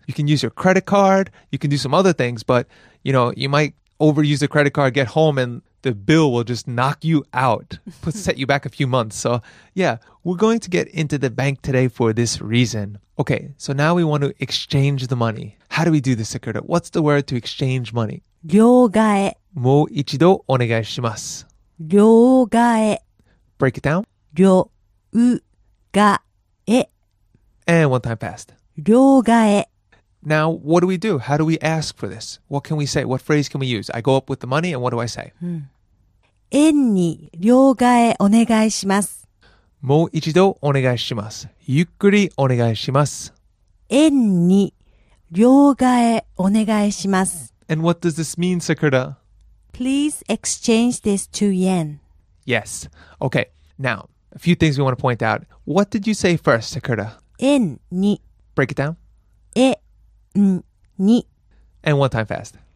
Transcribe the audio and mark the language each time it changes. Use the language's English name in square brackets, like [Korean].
[English] You can use your credit card, you can do some other things, but you know, you might overuse the credit card, get home, and the bill will just knock you out, set you back a few months. So yeah, we're going to get into the bank today for this reason. Okay, so now we want to exchange the money. How do we do this, Sakura? What's the word to exchange money? [Japanese] 両替. もう一度お願いします。両替. [English] Break it down. [Japanese] 両替. [English] And one time fast. [Japanese] 両替. [English] Now, what do we do? How do we ask for this? What can we say? What phrase can we use? I go up with the money, and what do I say? [Japanese] 円に両替お願いします。もう一度お願いします。ゆっくりお願いします。円に両替お願いします。 [English] And what does this mean, Sakura? Please exchange this to yen. Yes. Okay. Now, a few things we want to point out. What did you say first, Sakura? [Japanese] 円に. [English] Break it down. [Japanese] え。に. [English] And one time fast.